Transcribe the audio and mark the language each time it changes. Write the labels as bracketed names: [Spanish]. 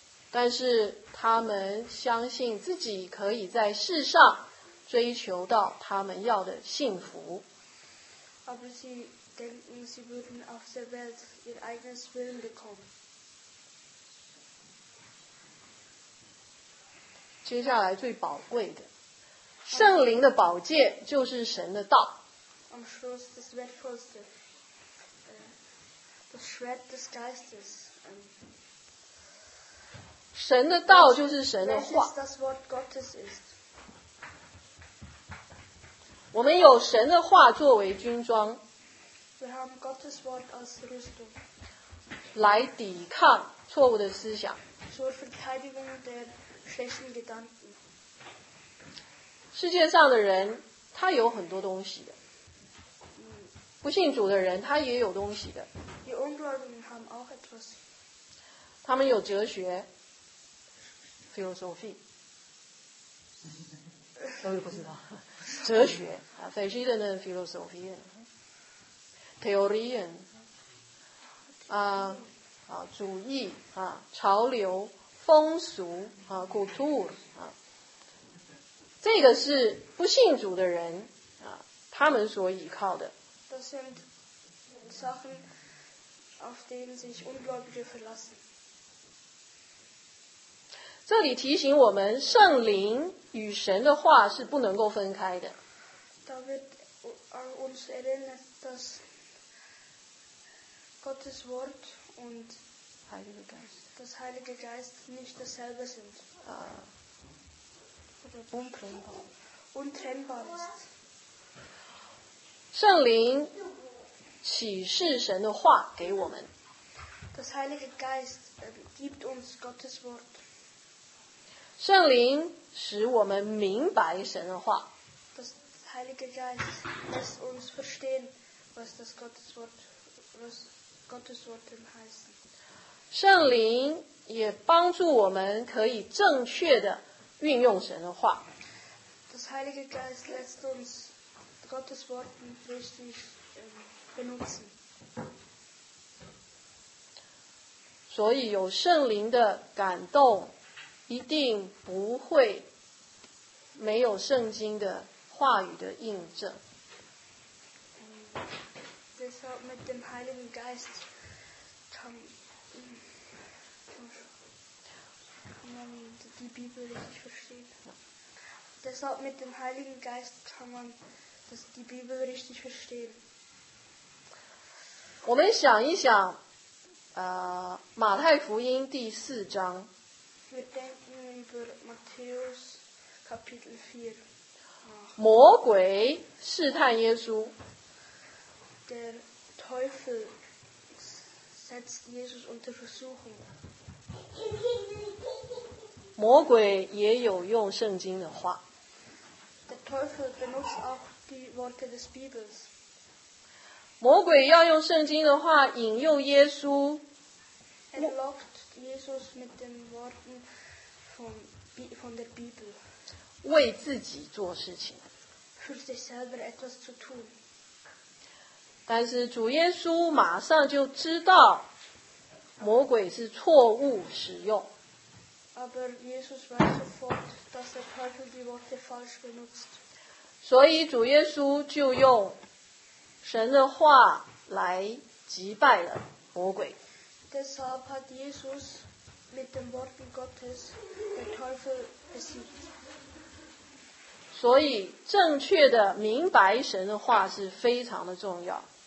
[Chinese] 但是他们相信自己可以在世上追求到他们要的幸福。 [German] Aber sie denken, sie würden auf der Welt ihr eigenes Willen bekommen. [Chinese] 接下来最宝贵的，圣灵的宝剑就是神的道。 [German] Am Schluss des Wertvollste, das Schwert des Geistes. [Chinese] 神的道就是神的话。 [German] Das ist das Wort Gottes ist. [Chinese] 我们有神的话作为军装 [English] We have God's word as [German] Rüstung. [Chinese] 来抵抗错误的思想 [German] zur Verteidigung der schlechten Gedanken. [Chinese] 世界上的人他有很多东西的不信主的人他也有东西的 [German] Die Ungläubigen haben auch etwas. [Chinese] 他们有哲学 Philosophy 都是不知道哲学啊 ， [German] verschiedene Philosophien, Theorien, [Chinese] 啊，啊，主义啊，潮流风俗啊 ，Kultur 啊，这个是不信主的人啊，他们所依靠的。 [German] Das sind Sachen, auf denen sich Ungläubige verlassen. [Chinese] 这里提醒我们，圣灵与神的话是不能够分开的。 [German] Da wird uns erinnert, dass Gottes Wort und Heilige Geist. das Heilige Geist nicht dasselbe sind. Untrennbar. Untrennbar ist. [Chinese] 圣灵启示神的话给我们。 [German] Das Heilige Geist gibt uns Gottes Wort. [Chinese] 圣灵使我们明白神的话。 [German] Heiliger Geist lässt uns verstehen, was das Gotteswort, was Gotteswort heißt. [Chinese] 圣灵也帮助我们可以正确的运用神的话。 [German] Das Heilige Geist lässt uns Gottes Wort richtig benutzen. [Chinese] 所以有圣灵的感动，一定不会没有圣经的。话语的印证。 [German] Deshalb mit dem Heiligen Geist kann man die Bibel richtig verstehen. Deshalb mit dem Heiligen Geist kann man die Bibel richtig verstehen. [Chinese] 我们想一想，马太福音第四章。 [German] Wir denken über Matthäus Kapitel 4. [Chinese] 魔鬼试探耶稣。 [German] Der Teufel setzt Jesus unter Versuchung. [Chinese] 魔鬼也有用圣经的话。 [German] Der Teufel benutzt auch die Worte des Bibels. [Chinese] 魔鬼要用圣经的话引诱耶稣。 [German] Er lockt Jesus mit den Worten von der Bibel. [Chinese] 为自己做事情。 [German] Für sich selber etwas zu tun. [Chinese] 但是主耶稣马上就知道魔鬼是错误使用。 [German] Aber Jesus weiß sofort, dass der Teufel die Worte falsch benutzt. [Chinese] 所以主耶稣就用神的话来击败了魔鬼。 [German] Deshalb hat Jesus mit den Worten Gottes den Teufel besiegt. [Chinese] 所以正确的明白神的话是非常的重要。